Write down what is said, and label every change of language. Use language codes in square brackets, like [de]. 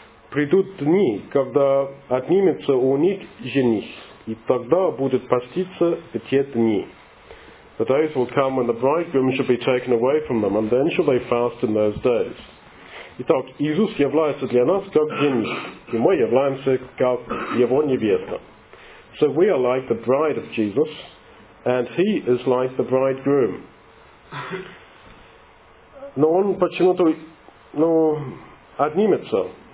[ru] Придут дни, когда отнимется у них жених, и тогда будет поститься в те дни. [en] The days will come when the bridegroom shall be taken away from them, and then shall they fast in those days. [ru] Итак, Иисус является для нас как жених, и мы являемся как его невеста. [en] So we are like the bride of Jesus, and he is like the bridegroom. [ru] Но он почему-то отнимется.